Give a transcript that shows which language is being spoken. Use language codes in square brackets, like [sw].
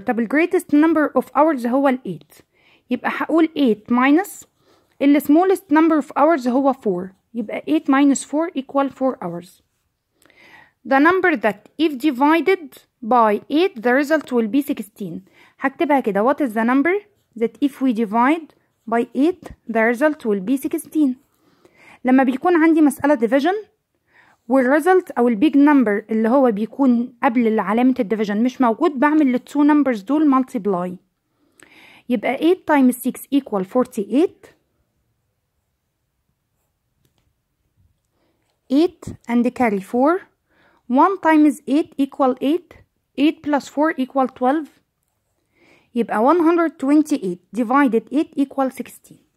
[en] طب the greatest number of hours هو ال 8. [ar] يبقى هقول [en] 8 minus the smallest number of hours هو 4. يبقى 8 minus 4 equal 4 hours. The number that if divided by 8 the result will be 16. [ar] هكتبها كده. [en] What is the number that if we divide by 8 the result will be 16. [ar] لما بيكون عندي مسألة division والresult أو البيج نمبر اللي هو بيكون قبل علامة الديفيجن مش موجود بعمل الـ two numbers دول multiply. [en] يبقى 8 times 6 equal 48. 8 and carry 4. 1 times 8 equal 8. 8 plus 4 equal 12. يبقى 128 divided 8 equal 16.